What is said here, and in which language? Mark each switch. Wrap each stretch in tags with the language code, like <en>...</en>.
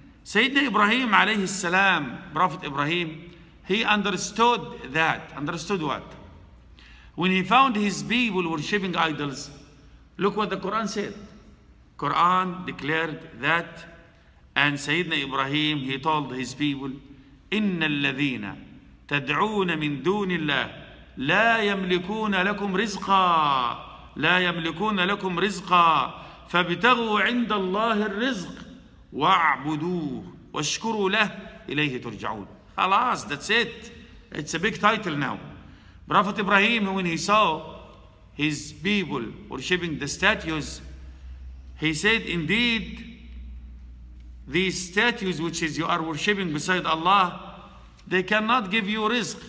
<ar>سيدنا إبراهيم عليه السلام,</ar> <en>Prophet إبراهيم, he understood that. Understood what? When he found his people worshipping idols, look what the Quran said. Quran declared that, and</en> <ar>سيدنا إبراهيم,</ar> <en>he told his people,</en> <ar>إن الذين تدعون من دون الله لا يملكون لكم رزقا, لا يملكون لكم رزقا, فابتغوا عند الله الرزق واعبدوه واشكروا له إليه ترجعون.</ar> <en>خلاص, that's it. It's a big title now. Prophet Ibrahim, when he saw his people worshipping the statues, he said, indeed, these statues which is you are worshipping beside Allah, they cannot give you rizq.</en>